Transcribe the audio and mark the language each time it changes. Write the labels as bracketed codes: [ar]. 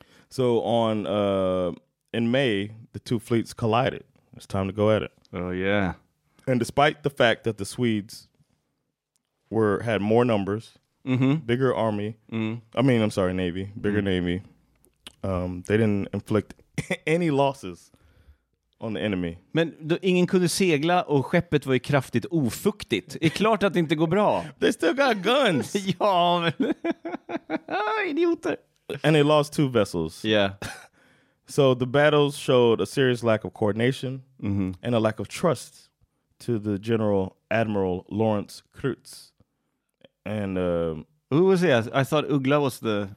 [en] So in May, the two fleets collided. It's time to go at it. Oh, yeah. And despite the fact that the Swedes had more numbers, bigger army, navy, bigger navy, they didn't inflict any losses on the enemy. [sv] Men då, ingen kunde segla och skeppet var ju kraftigt ofuktigt. Det är klart att det inte går bra. [en] They still got guns. [sv] Ja, men... Idioter. [en] And they lost two vessels. Yeah. So the battles showed a serious lack of coordination mm-hmm. and a lack of trust to the General Admiral Lawrence Krutz. And who was he? I thought Ugla was the...